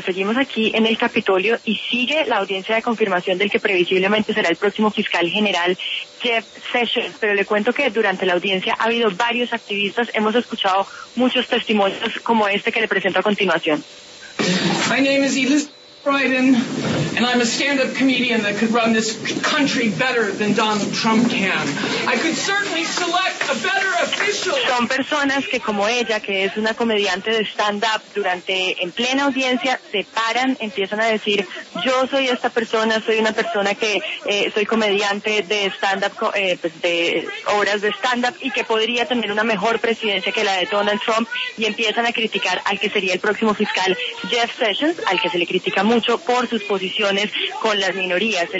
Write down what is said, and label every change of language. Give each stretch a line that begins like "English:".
Spanish: Seguimos aquí en el Capitolio y sigue la audiencia de confirmación del que previsiblemente será el próximo fiscal general, Jeff Sessions. Pero le cuento que durante la audiencia ha habido varios activistas. Hemos escuchado muchos testimonios como este que le presento a continuación.
English: My name is Elizabeth Croydon. and I'm a stand-up comedian that could run this country better than Donald Trump can. I could certainly select a better official.
Spanish: Son personas que como ella, que es una comediante de stand-up, durante, en plena audiencia, se paran, empiezan a decir, yo soy esta persona, soy una persona que soy comediante de stand-up, pues de obras de stand-up, y que podría tener una mejor presidencia que la de Donald Trump, y empiezan a criticar al que sería el próximo fiscal, Jeff Sessions, al que se le critica mucho por sus posiciones con las minorías.